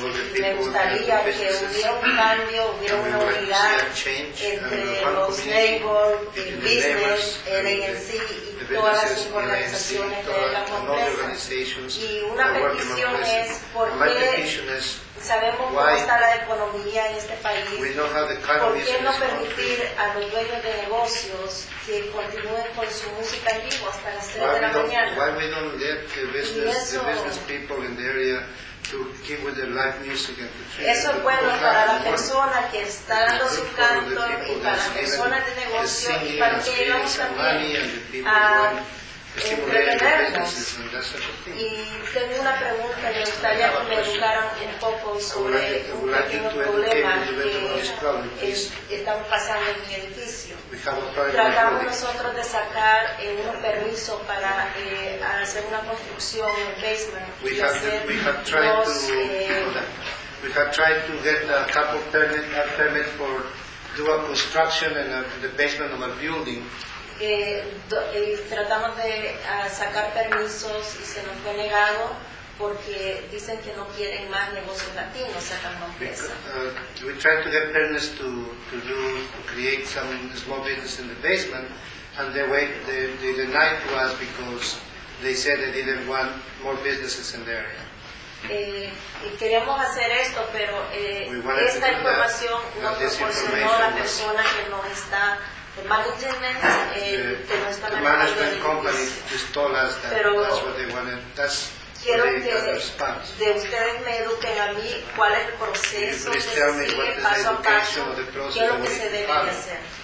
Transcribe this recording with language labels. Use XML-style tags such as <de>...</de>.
<es>Me gustaría que hubiera un cambio, hubiera una unidad entre los labor y business, ANC y todas las organizaciones de la Montpresa. Y una petición es porque sabemos cómo está la economía en este país. ¿Por qué no permitir a los dueños de negocios que continúen con su música en vivo hasta las 3 de la mañana?</es> <en>Why we don't let the business people in the area to keep with their live music and to treat</en> <es>eso es bueno para la persona que está dando su canto y para la persona de negocio y para que ellos también y tengo una pregunta, me gustaría que me educaran un poco sobre un pequeño problema que están pasando en mi edificio. Tratamos nosotros de sacar un permiso para hacer una construcción en el basement y hacer dos.</es> <en>We have tried to get a couple permit for do a construction in the basement of a building.</en> <es>Tratamos de sacar permisos y se nos fue negado porque dicen que no quieren más negocios latinos sacando empresas.</es> <en>We tried to get permits to create some small business in the basement, and they denied to us because they said they didn't want more businesses in the area.</en> <es>Y queríamos hacer esto, pero esta información no proporcionó la persona que nos está.</es> <en>The management company just told us that that's what they wanted. That's the response.</en> <es>De ustedes me eduquen a mí cuál es el proceso que sigue paso a paso, qué es lo que se debe hacer.</es>